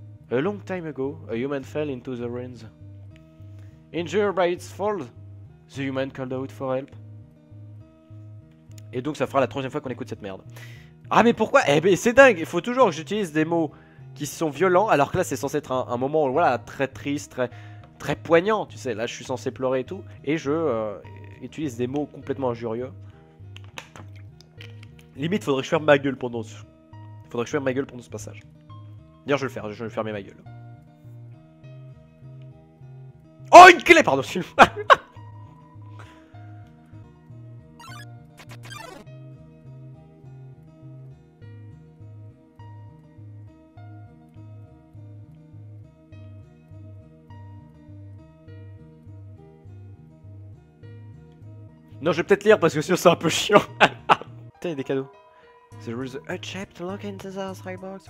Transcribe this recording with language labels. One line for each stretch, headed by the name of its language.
English: A long time ago, a human fell into the ruins. Injured by its fall, the human called out for help.
French: Et donc, ça fera la troisième fois qu'on écoute cette merde. Ah, mais pourquoi? Eh ben, c'est dingue! Il faut toujours que j'utilise des mots qui sont violents, alors que là, c'est censé être un moment voilà, très triste, très, très poignant. Tu sais, là, je suis censé pleurer et tout. Et je utilise des mots complètement injurieux. Limite, faudrait que je ferme ma gueule pendant ce. Faudrait que je ferme ma gueule pendant ce passage. D'ailleurs, je vais le faire, je vais fermer ma gueule. Oh, une clé, pardon, excuse-moi. Non, je vais peut-être lire parce que sinon c'est un peu chiant. Putain, il y a des cadeaux.
English: There is a hatchet locket in the outside box.